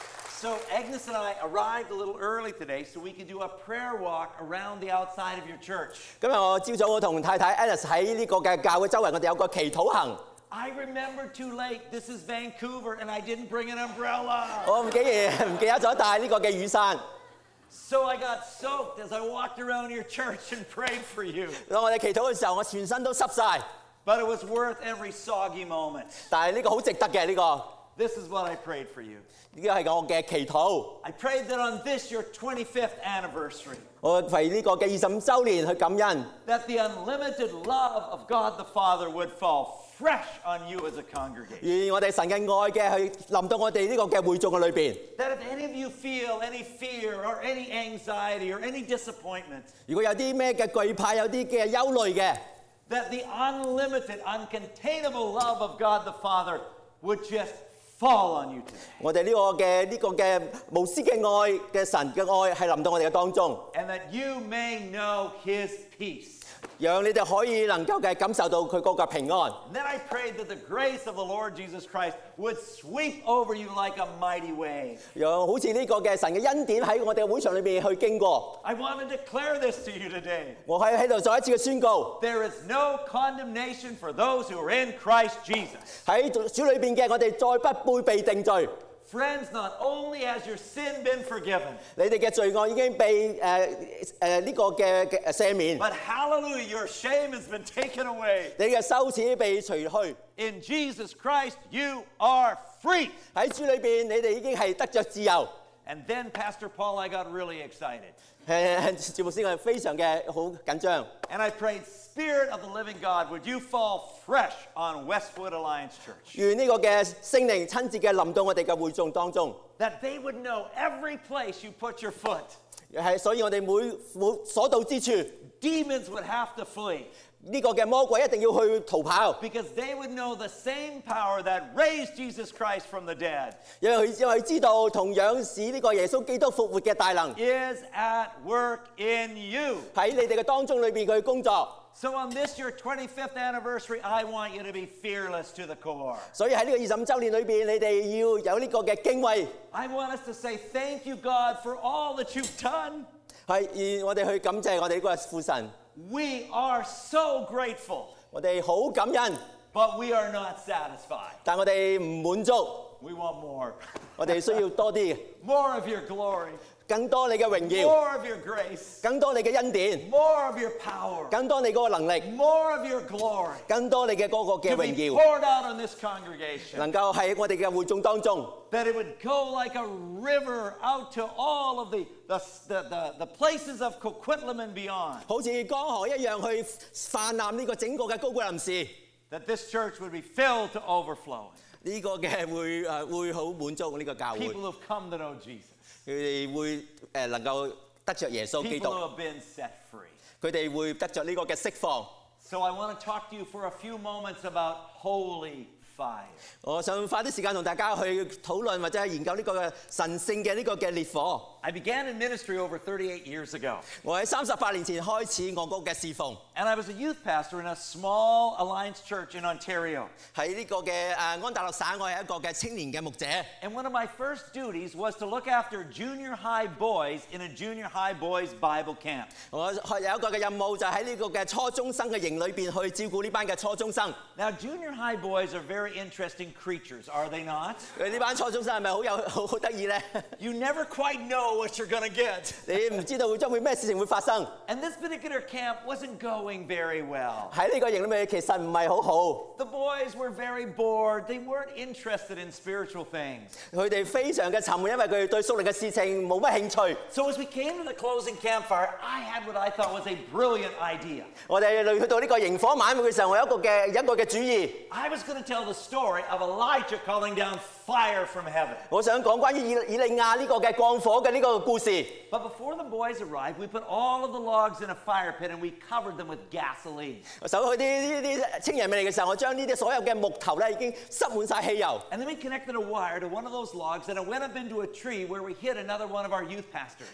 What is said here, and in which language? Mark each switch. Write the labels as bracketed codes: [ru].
[en] So So Agnes and I arrived a little early today so we could do a prayer walk around the outside of your church. [yue] 今日我朝早我同太太 Agnes 喺呢個嘅教會周圍，我哋有個祈禱行。 [en] I remember too late. This is Vancouver, and I didn't bring an umbrella. [yue] 我唔記得咗帶呢個嘅雨傘。 [en] So I got soaked as I walked around your church and prayed for you. [yue] 當我哋祈禱嘅時候，我全身都濕曬。 [en] But it was worth every soggy moment. [yue] 但係呢個好值得嘅呢個。 [en] This is what I prayed for you. [yue] 呢個係我嘅祈禱。 [en] I prayed that on this your 25th anniversary. [yue] 我為呢個嘅25周年去感恩。 [en] That the unlimited love of God the Father would fall fresh on you as a congregation. [yue] 願我哋神嘅愛嘅去臨到我哋呢個嘅會眾嘅裏邊。 [en] That if any of you feel any fear or any anxiety or any disappointment. [yue] 如果有啲咩嘅懼怕，有啲嘅憂慮嘅。 [en] That the unlimited, uncontainable love of God the Father would just fall on you today. [yue] 我哋呢個嘅無私嘅愛嘅神嘅愛係臨到我哋嘅當中。 [en] And that you may know His peace. [yue] 讓你哋可以能夠嘅感受到佢嗰個平安。 [en] And then I prayed that the grace of the Lord Jesus Christ would sweep over you like a mighty wave. [yue] 讓好似呢個嘅神嘅恩典喺我哋會場裏邊去經過。 [en] I want to declare this to you today. [yue] 我喺度再一次嘅宣告。 [en] There is no condemnation for those who are in Christ Jesus. [yue] 喺主裏邊嘅我哋再不會被定罪。 [en] Friends, not only has your sin been forgiven, [yue] 你哋嘅罪案已經被呢個嘅赦免。 [en] But hallelujah, your shame has been taken away. [yue] 你嘅羞恥被除去。 [en] In Jesus Christ, you are free. [yue] 喺主裏邊，你哋已經係得著自由。 [en] And then, Pastor Paul, I got really excited. [yue] 節目先，我非常嘅好緊張。 [en] And I prayed. Spirit of the Living God, would you fall fresh on Westwood Alliance Church? [yue] 願呢個嘅聖靈親自嘅臨到我哋嘅會眾當中。 [en] That they would know every place you put your foot. [yue] 係，所以我哋每所到之處。 [en] Demons would have to flee. [yue] 呢個嘅魔鬼一定要去逃跑。 [en] Because they would know the same power that raised Jesus Christ from the dead. [yue] 因為知道同樣使呢個耶穌基督復活嘅大能。 [en] Is at work in you. [yue] 喺你哋嘅當中裏邊佢工作。 [en] So on this your 25th anniversary, I want you to be fearless to the core. [yue] 所以喺呢個25周年裏邊，你哋要有呢個嘅敬畏。 [en] I want us to say thank you, God, for all that you've done. [yue] 係，願我哋去感謝我哋呢個父神。 [en] We are so grateful. [yue] 我哋好感恩。 [en] But we are not satisfied. [yue] 但我哋唔滿足。 [en] We want more. [yue] 我哋需要多啲。 [en] More of your glory. [yue] 更多你嘅榮耀， [en] more of your grace, [yue] 更多你嘅恩典， [en] more of your power, [yue] 更多你嗰個能力， [en] more of your glory, [yue] 更多你嘅嗰個嘅榮耀， [en] to be poured out on this congregation, [yue] 能夠喺我哋嘅會眾當中， [en] that it would go like a river out to all of the places of Coquitlam and beyond, [yue] 好似江河一樣去泛濫呢個整個嘅高貴林市， [en] that this church would be filled to overflowing, [yue] 呢個嘅會好滿足呢個教會， [en] people who have come to know Jesus. [yue] 佢哋會能夠得著耶穌基督，佢哋會得著呢個嘅釋放。 [en] So I want to talk to you for a few moments about holy fire. [yue] 我想花啲時間同大家去討論或者研究呢個神聖嘅呢個嘅烈火。 [en] I began in ministry over 38 years ago. [yue] 我喺38年前開始我嗰個嘅侍奉。 [en] And I was a youth pastor in a small Alliance church in Ontario. [yue] 喺呢個嘅安大略省，我係一個嘅青年嘅牧者。 [en] And one of my first duties was to look after junior high boys in a junior high boys Bible camp. [yue] 我有一個嘅任務就喺呢個嘅初中生嘅營裏邊去照顧呢班嘅初中生。 [en] Now junior high boys are very interesting creatures, are they not? [yue] 呢班初中生係咪好得意咧 [en] ？You never quite know. What you're gonna get? [yue] 你唔知道會將會咩事情會發生。 [en] And this particular camp wasn't going very well. [yue] 喺呢個營裏面其實唔係好好。 [en] The boys were very bored. They weren't interested in spiritual things. [yue] 佢哋非常嘅沉悶，因為佢對屬靈嘅事情冇乜興趣。 [en] So as we came to the closing campfire, I had what I thought was a brilliant idea. [yue] 我哋嚟到呢個營火晚會嘅時候，我有一個嘅主意。 [en] I was gonna tell the story of Elijah calling down fire from heaven. [yue] 我想講關於以利亞呢個嘅降火嘅呢個。个故事。 [en] But before the boys arrived, we put all of the logs in a fire pit and we covered them with gasoline. [yue] 搜佢啲青年嚟嘅时候，我将呢啲所有嘅木头咧已经塞满晒汽油。 [en] And then we connected a wire to one of those logs and it went up into a tree where we hid another one of our youth pastors.